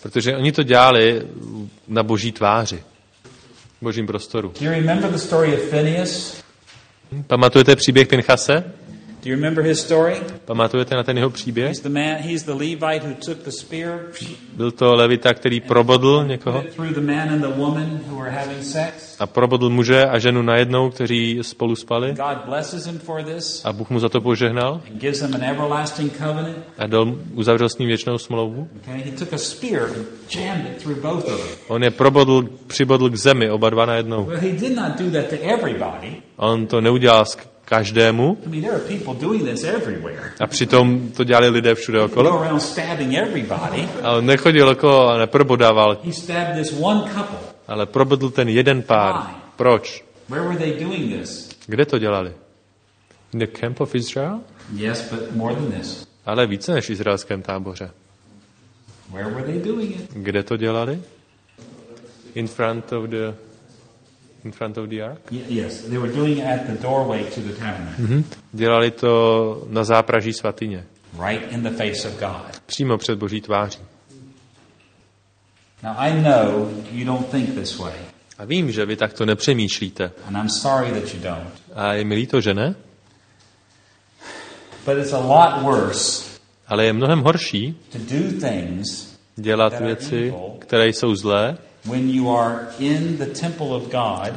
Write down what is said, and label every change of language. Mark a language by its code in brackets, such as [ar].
[cs] Protože oni to dělali na Boží tváři. V Božím prostoru. [en] Do you remember the story of Phineas? [cs] Pamatujete příběh Pinchase? [en] Do you remember his story? [cs] Pamatujete na ten jeho příběh? [en] He's the man, he's the Levite who took the spear. [cs] Byl to levita, který probodl někoho. [en] Through the man and the woman who were having sex. [cs] A probodl muže a ženu najednou, kteří spolu spali. [en] God blesses him for this. [cs] A Bůh mu za to požehnal. [en] And gives him an everlasting covenant. [cs] A dal uzavřel s ním věčnou smlouvu. [en] Okay, he took a spear and jammed it through both of them. [cs] On je probodl, přibodl k zemi oba dva najednou. [en] Well, he did not do that to everybody. [cs] On to neudělal s každému. [en] I mean, there are people doing this everywhere. [cs] A přitom to dělali lidé všude okolo. [en] He go around stabbing everybody. [cs] A on nechodil okolo a neprobodával. [en] He stabbed this one couple. [cs] Ale probodl ten jeden pár. Proč? [en] Where were they doing this? [cs] Kde to dělali? [en] In the camp of Israel? Yes, but more than this. [cs] Ale více než v izraelském táboře. [en] Where were they doing it? [cs] Kde to dělali? [en] In front of the ark? Yes, they were doing it at the doorway to the tabernacle. Mm-hmm. [cs] Dělali to na zápraží svatyně. [en] Right in the face of God. [cs] Přímo před Boží tváří. [en] Now I know you don't think this way. [cs] A vím, že vy takto nepřemýšlíte. [en] And I'm sorry that you don't. [cs] A je mi líto, že ne? [en] But it's a lot worse. [cs] Ale je mnohem horší. [en] To do things [cs] dělat věci, které jsou zlé. [en] When you are in the temple of God,